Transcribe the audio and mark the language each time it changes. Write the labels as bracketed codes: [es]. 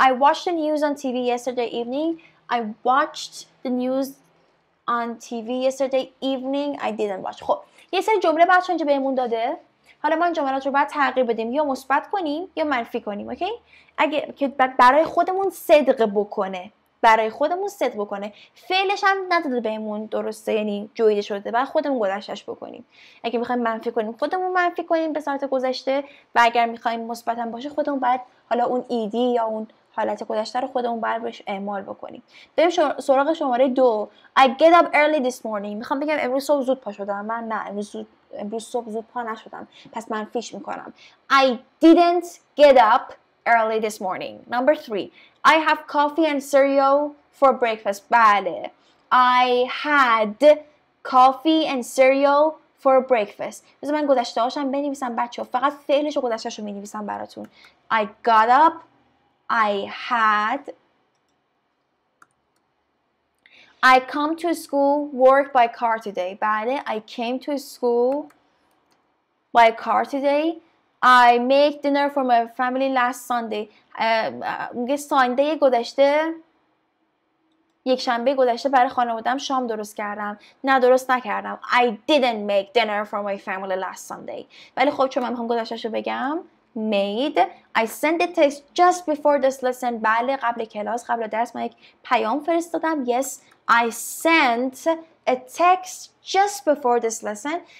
[en] I watched the news on TV yesterday evening. I watched the news on TV yesterday evening. I didn't watch. [fa] خب یه سری جمله بچه اینجا بهمون داده. حالا ما این جملات رو باید تغییر بدیم، یا مثبت کنیم یا منفی کنیم. اوکی؟ اگه که برای خودمون صدق بکنه، برای خودمون صدق بکنه. فعلش هم نداده بهمون درسته، یعنی جویده شده، بعد خودمون گذشتش بکنیم. اگه میخوایم منفی کنیم خودمون منفی کنیم به صورت گذشته، و اگر میخوایم مثبت هم باشه خودمون باید حالا اون ایدی یا اون حالت گذشته رو خودمون باید بهش اعمال بکنیم. بریم سراغ شماره 2. [en] I get up early this morning. [fa] میخوام بگم امروز صبح زود پا شدم. من نه، امروز صبح زود پا نشدم. پس من فیش میکنم. [en] I didn't get up early this morning. Number 3. I have coffee and cereal for breakfast. [fa] بله. [en] I had coffee and cereal for breakfast. [fa] بذار من گذشته هاشم بنویسم بچه ها. فقط فعلش و گذشته هاشو بنویسم براتون. [en] I got up. I had. I come to school, work by car today. [fa] بله. [en] I came to school by car today. I make dinner for my family last Sunday. [fa] میگه سانده گذشته، یک شنبه گذشته برای خانوادم شام درست کردم. نه، درست نکردم. [en] I didn't make dinner for my family last Sunday. [fa] ولی خب چون من میخوام گذشتهشو بگم، made. [en] I sent a text just before this lesson. [fa] بله قبل کلاس قبل درس من یک پیام فرستادم. [en] Yes, I sent a text just before this lesson.